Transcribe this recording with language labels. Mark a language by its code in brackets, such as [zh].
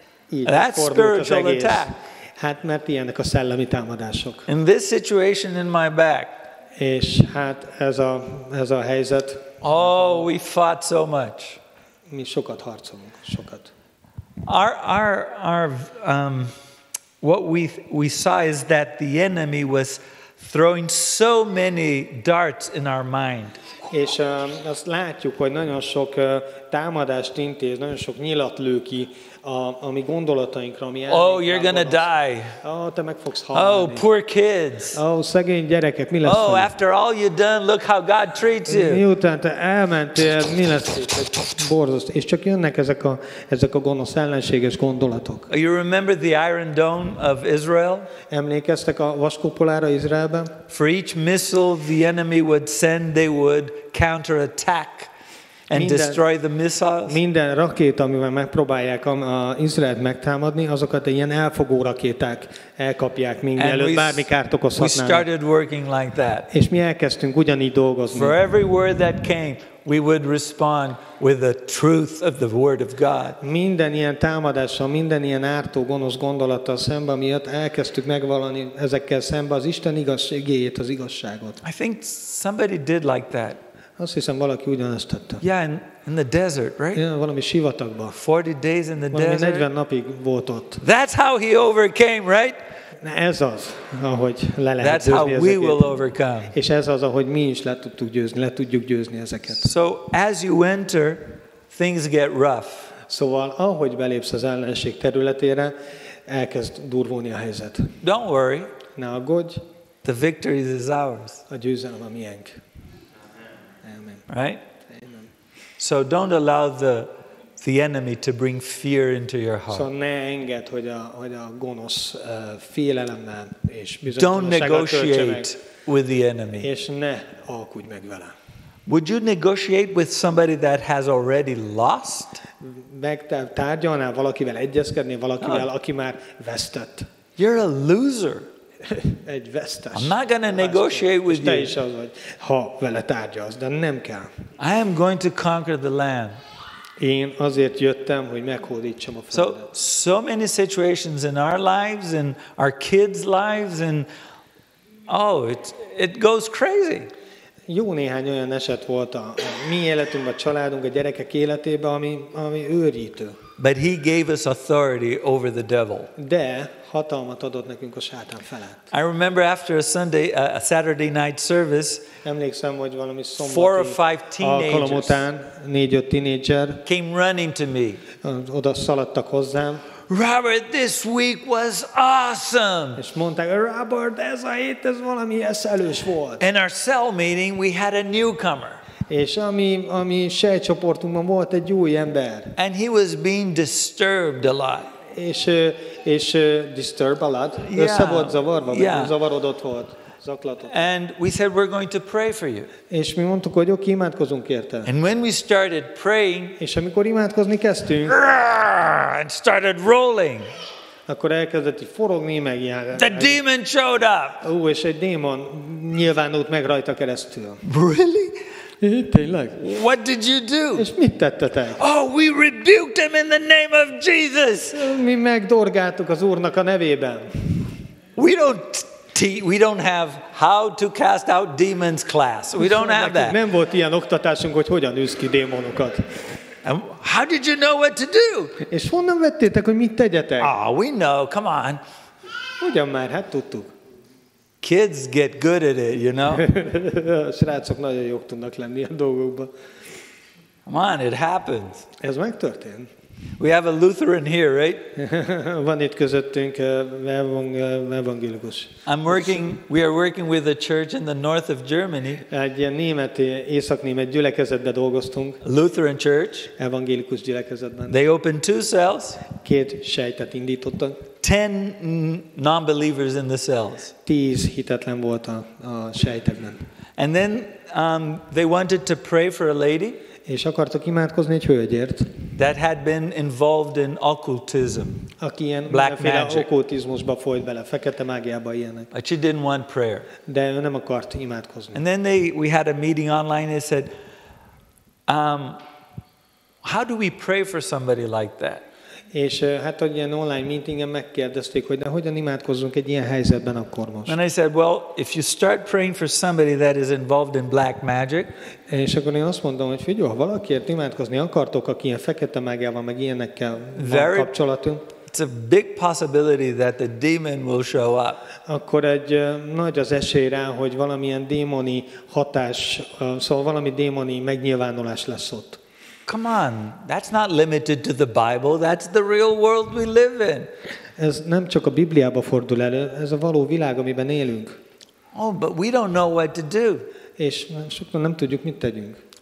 [en] That's spiritual attack. [hu] Hát mert ilyenek a szellemi támadások. [en] In this situation in my back. [hu] És hát ez a helyzet. [en] Oh, we fought so much. [hu] Mi sokat harcolunk, sokat. [en] Our what we saw is that the enemy was throwing so many darts in our mind. [hu] És azt látjuk, hogy nagyon sok támadást intéz, nagyon sok nyilat lő ki a mi gondolatainkra, ami elmények. [en] Oh, you're gonna die. [hu] Oh, te meg fogsz halni. [en] Oh, poor kids. [hu] Oh, szegény gyerekek, mi lesz? Oh, fel? [en] After all you've done, look how God treats you. [hu] Miután te elmentél, mi lesz? Borzaszt. És csak jönnek ezek a gonosz ellenséges gondolatok. [en] You remember the Iron Dome of Israel? [hu] Emlékeztek a vaskupolára Izraelben? [en] For each missile the enemy would send, they would counterattack. And destroy the missiles. [hu] Minden rakéta, amivel megpróbálják Izraelt megtámadni, azokat ilyen elfogó rakéták elkapják mindenelőtt, bármi kárt okozhatnának. [en] We started working like that. [hu] És mi elkezdtünk ugyanígy dolgozni. [en] For every word that came, we would respond with the truth of the word of God. [hu] Minden ilyen támadással, minden ilyen ártó, gonosz gondolattal szemben miatt elkezdtük megvalani ezekkel szemben az Isten igazságét, az igazságot. [en] I think somebody did like that. [hu] Azt hiszem, valaki ugyanezt tette. [en] Yeah, in the desert, right? [hu] Yeah, valami sivatagban. [en] 40 days in the [hu] valami [en] desert. [hu] 40 napig volt ott. [en] That's how he overcame, right? [hu] Ez az, ahogy le lehet [en] That's [hu] győzni [en] how [hu] ezeket. [en] We will overcome. [hu] És ez az, ahogy mi is le tudjuk győzni ezeket. [en] So as you enter, things get rough. [hu] Szóval ahogy belépsz az ellenség területére, elkezd durvulni a helyzet. [en] Don't worry. [hu] Ne aggódj. [en] The victory is ours. [hu] A győzelem a miénk. [en] Right? So don't allow the enemy to bring fear into your heart. [hu] So ne engedd, hogy a gonosz félelemmel és bizonytalansággal. [en] Don't negotiate with the enemy. [hu] És ne alkudj meg vele. [en] Would you negotiate with somebody that has already lost? [hu] Megtárgyalnál valakivel, egyezkedni valakivel, aki már vesztett. [en] You're a loser. [hu] Egy vesztes. [en] I'm not going to negotiate with you. [hu] Is az, hogy ha vele tárgyalsz, de nem kell. [en] I am going to conquer the land. [hu] Én azért jöttem, hogy meghódítsam a földet. [en] So many situations in our lives and our kids' lives and oh, it goes crazy. [hu] Jó néhány olyan eset volt a mi életünkben, a családunk, a gyerekek életében, ami őrítő. [en] But he gave us authority over the devil. [hu] De hatalmat adott nekünk a sátán felett. [en] I remember after a Saturday night service, [hu] emlékszem, hogy valami szombati [en] four or five teenagers [hu] alkalom után, négy-öt tínédzser [en] came running to me. [hu] Oda szaladtak hozzám. [en] Robert, this week was awesome. [hu] És mondták, Robert, ez a hét, ez valami eszelős volt. [en] In our cell meeting, we had a newcomer. [hu] És ami sejtcsoportunkban volt egy új ember. [en] And he was being disturbed a lot. És disturb a lot. Yeah. [hu] Össze volt zavarva, [en] yeah. [hu] Zavarodott volt, zaklatott. [en] And we said we're going to pray for you. [hu] És mi mondtuk, hogy oké, imádkozunk érte. [en] And when we started praying, [hu] és amikor imádkozni kezdtünk, [en] and started rolling. [hu] Akkor elkezdett így forogni, meg ilyen. [en] The demon showed up. [hu] És egy démon nyilvánult meg rajta keresztül. [en] Really? [hu] Tényleg. [en] What did you do? [hu] És mit tettetek? [en] Oh, we rebuked him in the name of Jesus. [hu] Mi megdorgáltuk az Úrnak a nevében. [en] We don't have how to cast out demons class. We don't have that. [hu] Nem volt ilyen oktatásunk, hogy hogyan üsz ki démonokat. [en] And how did you know what to do? [hu] És honnan vettétek, hogy mit tegyetek? [en] Oh, we know. Come on. [hu] Ugyan már, hát tudtuk. [en] Kids get good at it, you know. [hu] A srácok nagyon jók tudnak lenni a dolgokban. [en] Come on, it happens. [hu] Ez megtörtént. [en] We have a Lutheran here, right? [hu] Van itt közöttünk evangélikus. [en] We are working with a church in the north of Germany. [hu] Egy németi, észak-német gyülekezetbe dolgoztunk. [en] Lutheran church. [hu] Evangélikus gyülekezetben. [en] They opened 2 cells. [hu] Két sejtet indítottak. [en] 10 non-believers in the cells. [hu] 10 hitetlen volt a sejtekben. [en] And then they wanted to pray for a lady. [hu] És akartok imádkozni egy hölgyért. [en] That had been involved in occultism. [hu] Aki ilyen okkultizmusba folyt bele, fekete mágiába ilyenek. [en] But she didn't want prayer. [hu] De ő nem akart imádkozni. [en] And then we had a meeting online and said, how do we pray for somebody like that? [hu] És hát egy ilyen online meetingen megkérdezték, hogy de hogyan imádkozzunk egy ilyen helyzetben akkor most. [en] And I said, well, if you start praying for somebody that is involved in black magic. [hu] És akkor én azt mondom, hogy figyelj, ha valakiért imádkozni akartok, aki ilyen fekete mágiával, meg ilyenekkel van kapcsolatunk. [en] It's a big possibility that the demon will show up. [hu] Akkor egy nagy az esély rá, hogy valamilyen démoni hatás, szóval valami démoni megnyilvánulás lesz ott. [en] Come on, that's not limited to the Bible, that's the real world we live in. [hu] Ez nem csak a Bibliába fordul elő, ez a való világ, amiben élünk. [en] Oh, but we don't know what to do. [hu] És sokan nem tudjuk, mit tegyünk.